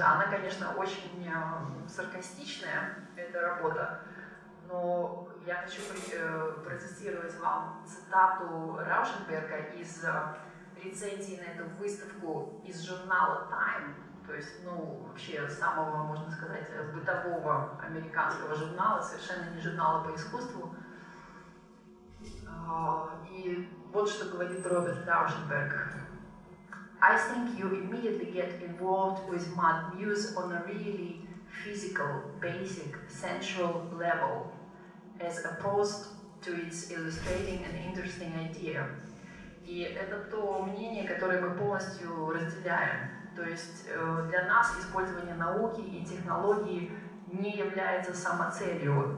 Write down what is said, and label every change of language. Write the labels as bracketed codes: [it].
[ru] Она, конечно, очень саркастичная, эта работа, но я хочу процитировать вам цитату Раушенберга из рецензии на эту выставку из журнала Time, то есть, ну, вообще самого, можно сказать, бытового американского журнала, совершенно не журнала по искусству. И вот что говорит Роберт Раушенберг. [en] I think you immediately get involved with Mud Muse on a really physical, basic, sensual level, as opposed to its illustrating an interesting idea. [ru] И это то мнение, которое мы полностью разделяем. То есть для нас использование науки и технологии не является самоцелью.